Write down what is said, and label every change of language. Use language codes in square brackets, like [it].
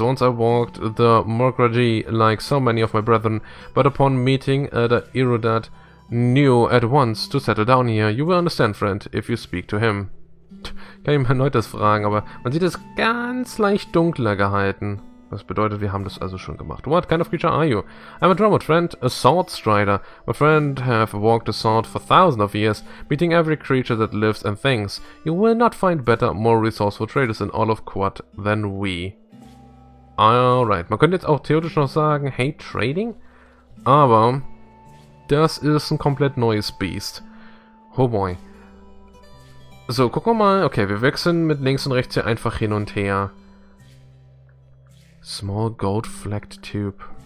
[en] Once I walked the Morgraji like so many of my brethren, but upon meeting the Irudat, knew at once to settle down here. You will understand, friend, if you speak to him. [de] Kann ich mal erneut das fragen, aber man sieht es ganz leicht dunkler gehalten. Das bedeutet, wir haben das also schon gemacht. [en] What kind of creature are you? I'm a Dromad, friend, a sword strider. My friend have walked the sword for thousands of years, meeting every creature that lives and thinks. You will not find better, more resourceful traders in all of Quad than we. [de] Alright, man könnte jetzt auch theoretisch noch sagen, hey, trading? Aber das ist ein komplett neues Beast. [en] Oh boy. [de] So, gucken wir mal. Okay, wir wechseln mit links und rechts hier einfach hin und her. Small Gold Flecked Tube.